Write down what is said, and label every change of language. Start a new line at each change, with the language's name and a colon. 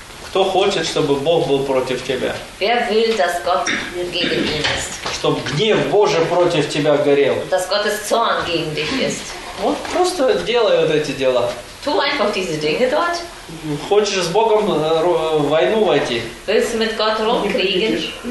Russian: Кто хочет, чтобы Бог был против тебя?
German: Wer will, dass Gott gegen ihn ist?
Russian: Чтобы гнев Божий против тебя горел.
German: Dass Gottes Zorn gegen dich ist.
Russian: Вот просто делай вот эти дела.
German: Tu einfach diese Dinge dort.
Russian: Хочешь с Богом войну войти?
German: Willst du mit Gott rumkriegen?